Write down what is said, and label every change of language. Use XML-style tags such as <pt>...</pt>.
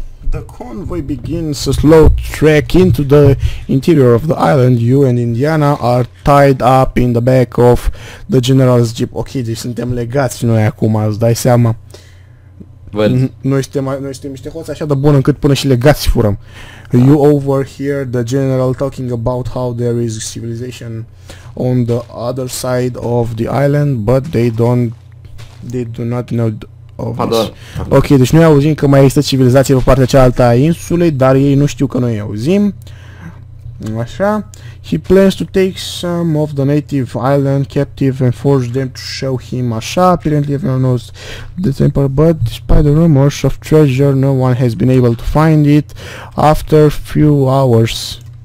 <en>The convoy begins a slow trek into the interior of the island. You and Indiana are tied up in the back of the general's jeep.</en> <ro>Ok, deci suntem legați noi acum, îți dai seama. Noi suntem niște hoți așa de bun încât până și legați furăm.</ro> <en>You overhear the general talking about how there is civilization on the other side of the island, but they do not know of us.</en> <ro>Ok, deci noi auzim că mai există civilizație pe partea cealaltă a insulei, dar ei nu știu că noi auzim. Așa.</ro> <en>He plans to take some of the native island captive and force them to show him. Așa, apparently everyone knows the temple, but despite the rumors of treasure, no one has been able to find it after few hours.</en>